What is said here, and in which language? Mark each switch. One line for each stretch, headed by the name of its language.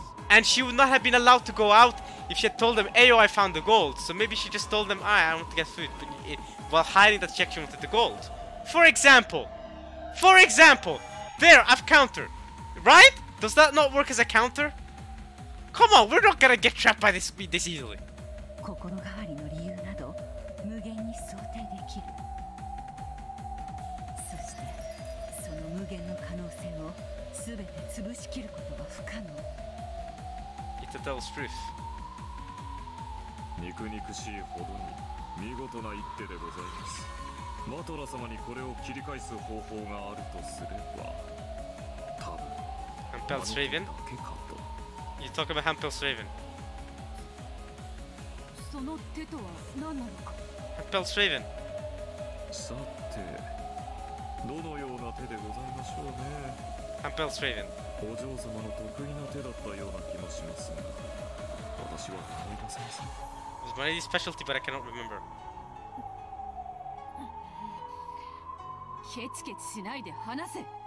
English: And she would not have been allowed to go out if she had told them, Ayo, I found the gold. So maybe she just told them, I want to get food, while hiding that she actually wanted the gold. For example, there, I've countered. Right? Does that not work as a counter? Come on, we're not gonna get trapped by this easily.
Japanese: 心変わりの理由など無限に想定できる。そしてその無限の可能性をすべて潰し切ることは不可能。
English: It's a devil's proof.
Japanese: 肉肉しいほどに見事な一手でございます。マトラ様にこれを切り返す方法があるとすれば、多分。
English: And Bell's Raven? You talk about Hempel's Raven.
Japanese: その手とは何なのか?
English: Hempel's Raven.
Japanese: さて、どのような手でございましょうね?
English: Hempel's Raven.
Japanese: お嬢様の得意な手だったような気もしますが、私は思い出せません。
English: It was my lady's specialty, but I cannot remember.
Japanese: ケチケチしないで話せ!